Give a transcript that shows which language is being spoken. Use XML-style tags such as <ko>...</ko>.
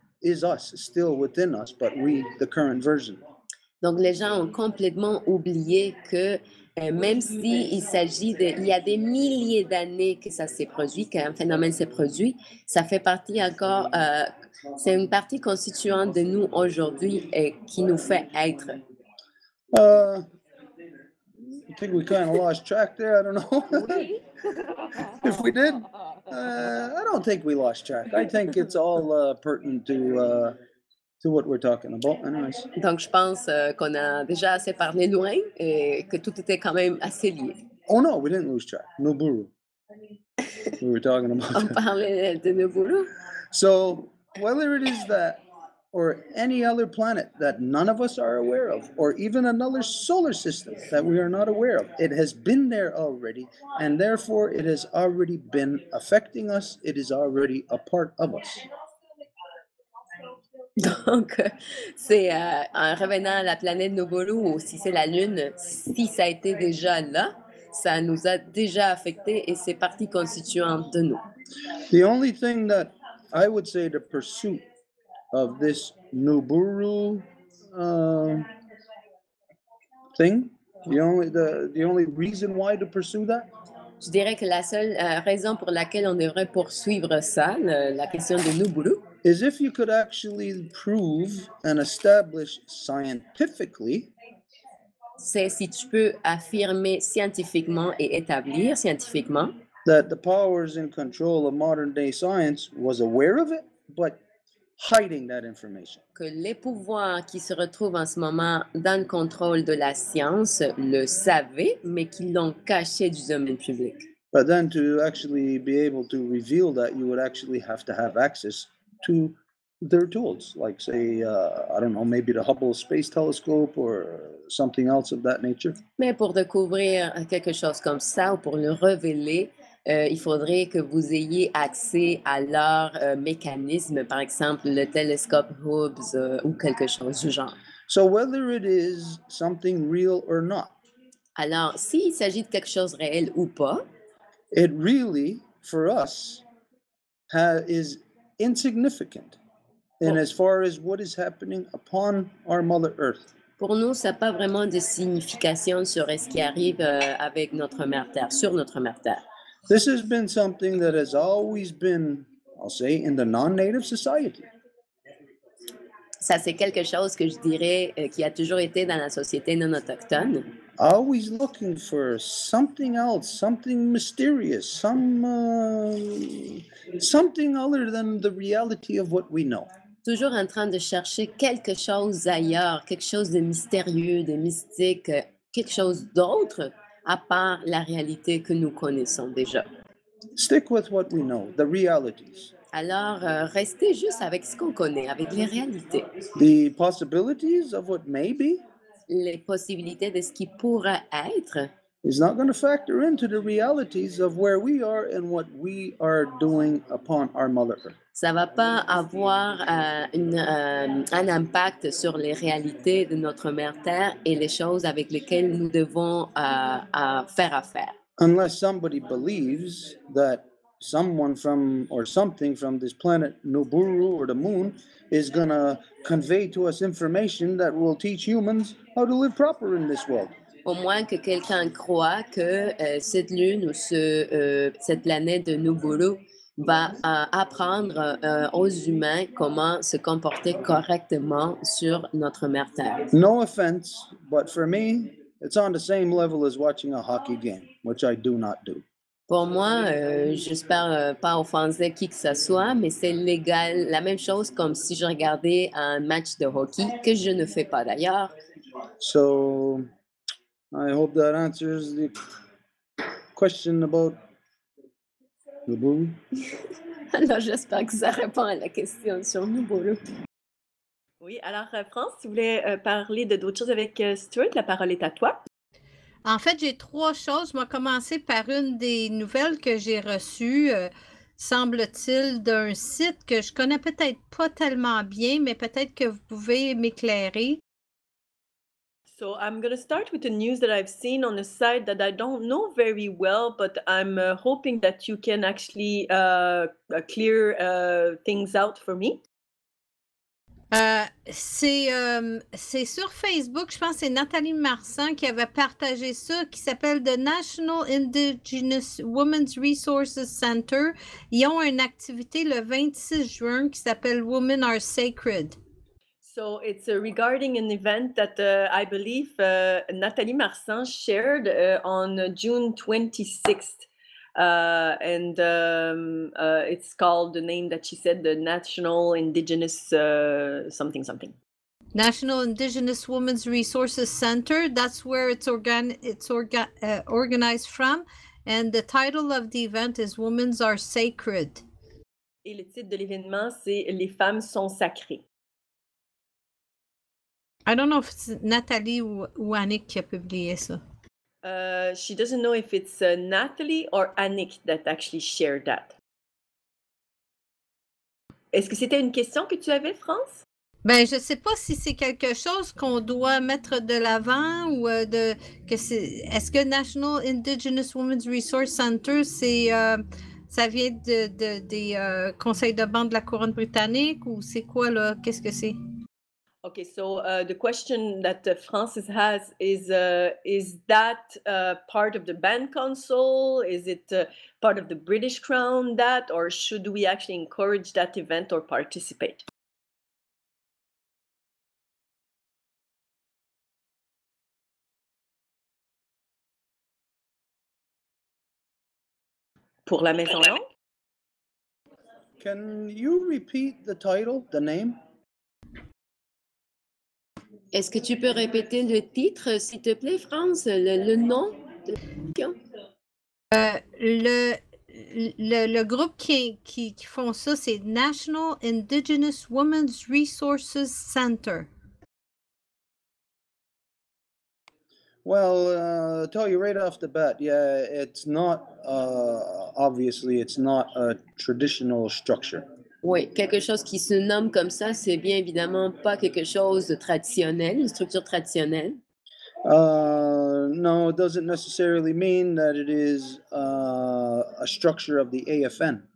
<en>Is us, still within us, but we, the current version.</en> <fr>Donc les gens ont complètement oublié que même si il y a des milliers d'années que ça s'est produit, qu'un phénomène s'est produit, ça fait partie encore, c'est une partie constituante de nous aujourd'hui et qui nous fait être.</fr> <en>I think we kind of lost track there, I don't know. If we did, I don't think we lost track. I think it's all pertinent to what we're talking about, anyways.</en> <fr>Donc, je pense qu'on a déjà assez parlé loin et que tout était quand même assez lié.</fr> <en>Oh no, we didn't lose track. Nuburu. We were talking about</en> <fr>on parlait de Nuburu.</fr> <en>So, whether it is that or any other planet that none of us are aware of, or even another solar system that we are not aware of, it has been there already, and therefore it has already been affecting us. It is already a part of us.</en> <fr>Donc, c'est en revenant à la planète Nobolu, ou si c'est la Lune, si ça a été déjà là, ça nous a déjà affecté et c'est partie constituante de nous.</fr> <en>The only thing that I would say the pursuit of this Nuburu thing, the only reason why to pursue that?</en> <fr>Je dirais que la seule raison pour laquelle on devrait poursuivre ça, la question de Nuburu,</fr> <en>is if you could actually prove and establish scientifically,</en> <fr>c'est si tu peux affirmer scientifiquement et établir scientifiquement</fr> <en>that the powers in control of modern day science was aware of it, but hiding that information.</en> <fr>Que les pouvoirs qui se retrouvent en ce moment dans le contrôle de la science le savaient, mais qu'ils l'ont caché du domaine public.</fr> <en>But then to actually be able to reveal that, you would actually have to have access to their tools, like say, I don't know, maybe the Hubble Space Telescope or something else of that nature.</en> <fr>Mais pour découvrir quelque chose comme ça ou pour le révéler, il faudrait que vous ayez accès à leur mécanisme, par exemple le télescope Hubble ou quelque chose du genre.</fr> <en>So whether it is something real or not.</en> <fr>Alors, s'il s'agit de quelque chose de réel ou pas,</fr> <en>it really, for us, is insignificant. And as far as what is happening upon our Mother Earth.</en> <fr>Pour nous, ça n'a pas vraiment de signification sur ce qui arrive avec notre mère Terre, sur notre mère Terre.</fr> <en>This has been something that has always been, I'll say, in the non-native society.</en> <fr>Ça, c'est quelque chose que je dirais qui a toujours été dans la société non autochtone.</fr> <en>Always looking for something else, something mysterious, something other than the reality of what we know.</en> <fr>Toujours en train de chercher quelque chose ailleurs, quelque chose de mystérieux, de mystique, quelque chose d'autre à part la réalité que nous connaissons déjà.</fr> <en>Stick with what we know, the realities.</en> <fr>Alors, restez juste avec ce qu'on connaît, avec les réalités.</fr> <en>The possibilities of what may be.</en> <fr>Les possibilités de ce qui pourrait être.</fr> <en>Is not going to factor into the realities of where we are and what we are doing upon our Mother Earth.</en> <fr>Ça va pas avoir un impact sur les réalités de notre mère Terre et les choses avec lesquelles nous devons faire affaire.</fr> <en>Unless somebody believes that someone from or something from this planet Nuburu or the moon is going to convey to us information that will teach humans how to live proper in this world.</en> <fr>Au moins que quelqu'un croit que cette lune ou cette planète de Nuburu va apprendre aux humains comment se comporter correctement sur notre mère Terre.</fr> <en>No offense, but for me, it's on the same level as watching a hockey game, which I do not do.</en> <fr>Pour moi, j'espère pas offenser qui que ce soit, mais c'est légal, la même chose comme si je regardais un match de hockey, que je ne fais pas d'ailleurs.</fr> <en>So, I hope that answers the question about Nuburu.</en> <fr>Alors, j'espère que ça répond à la question sur Nuburu. Oui, alors, France, si tu voulais parler de d'autres choses avec Stuart, la parole est à toi. En fait, j'ai trois choses. Je vais commencer par une des nouvelles que j'ai reçues, semble-t-il, d'un site que je connais peut-être pas tellement bien, mais peut-être que vous pouvez m'éclairer.</fr> <en>So I'm going to start with the news that I've seen on a site that I don't know very well, but I'm hoping that you can actually clear things out for me.</en> <fr>C'est sur Facebook, je pense que c'est Nathalie Marsan qui avait partagé ça, qui s'appelle The National Indigenous Women's Resources Center. Ils ont une activité le 26 juin qui s'appelle Women Are Sacred.</fr> <en>So it's regarding an event that I believe Nathalie Marsan shared on June 26th. It's called the name that she said, the National Indigenous something. National Indigenous Women's Resources Center. That's where it's organized from. And the title of the event is Women's Are Sacred.</en> <fr>Et le titre de l'événement, c'est « Les femmes sont sacrées ».</fr> <en>I don't know if it's Nathalie ou Annick qui a publié ça. She doesn't know if it's Nathalie or Annick that actually shared that.</en> <fr>Est-ce que c'était une question que tu avais, France? Ben, je ne sais pas si c'est quelque chose qu'on doit mettre de l'avant ou de que c'est. Est-ce que National Indigenous Women's Resource Center, c'est ça vient des conseils de banque de la couronne britannique ou c'est quoi là? Qu'est-ce que c'est?</fr> <en>Okay, so the question that Francis has is that part of the band council? Is it part of the British Crown that, or should we actually encourage that event or participate?</en> <fr>Pour la maison longue.</fr> <en>Can you repeat the title, the name?</en> <fr>Est-ce que tu peux répéter le titre, s'il te plaît, France, le nom de le groupe qui font ça, c'est National Indigenous Women's Resources Center.</fr> <en>Well, tell you right off the bat, yeah, it's not, obviously, it's not a traditional structure.</en> <fr>Oui, quelque chose qui se nomme comme ça, c'est bien évidemment pas quelque chose de traditionnel, une structure traditionnelle.</fr> <en>No, it doesn't necessarily mean that it is a structure of the AFN.</en>